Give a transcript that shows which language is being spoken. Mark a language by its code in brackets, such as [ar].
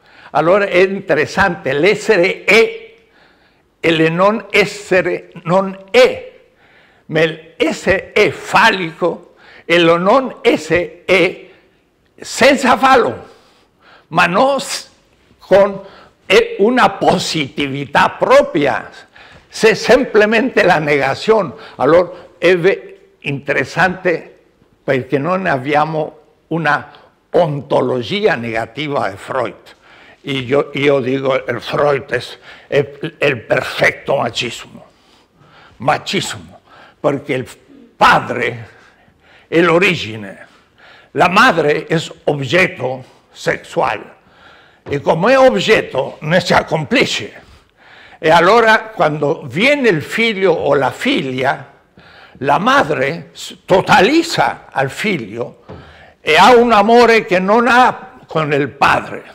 [it] Allora è interessante, l'essere è e il non essere non è. Ma l'essere è fallico e il non essere è senza fallo, ma non con una positività propria. Se semplicemente [es] la negación, [it] allora [es] es interesante porque no tenemos una ontología negativa de Freud. Y yo digo, el Freud es el perfecto machismo. Machismo, porque el padre es el origen, la madre es objeto sexual. Y como es objeto, no se cumple. [it] E allora quando viene il figlio o la figlia, la madre totalizza al figlio e ha un amore che non ha con il padre.